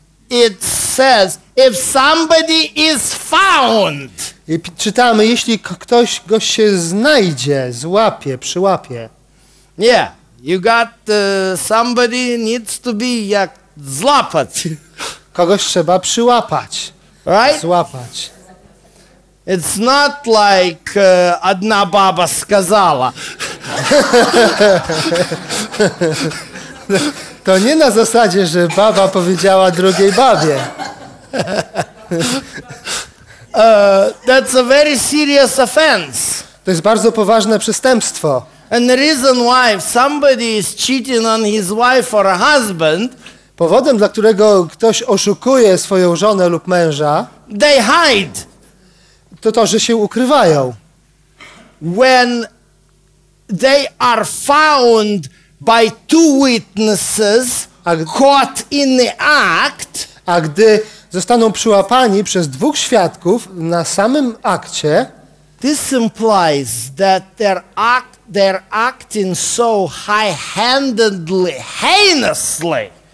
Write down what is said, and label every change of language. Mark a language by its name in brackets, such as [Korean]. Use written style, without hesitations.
[English] It says if somebody is found. [Polish] I czytamy, jeśli ktoś go się znajdzie, złapie, przyłapie. Nie. [English] Yeah. You got somebody needs to be [Polish] jak złapać. Kogoś trzeba przyłapać. [English] Right? [Polish] Złapać. [English] It's not like [Russian] одна баба сказала. [Polish] To nie na zasadzie, że baba powiedziała drugiej babie. [English] That's a very serious offense. [Polish] To jest bardzo poważne przestępstwo. [English] And the reason why somebody is cheating on his wife or a husband, [Polish] powodem, dla którego ktoś oszukuje swoją żonę lub męża, [English] they hide. [Polish] To, że się ukrywają. [English] When they are found by two witnesses caught in the act, [Polish] a gdy zostaną przyłapani przez dwóch świadków na samym akcie, [English] this implies that their act they're acting so high-handedly, heinously.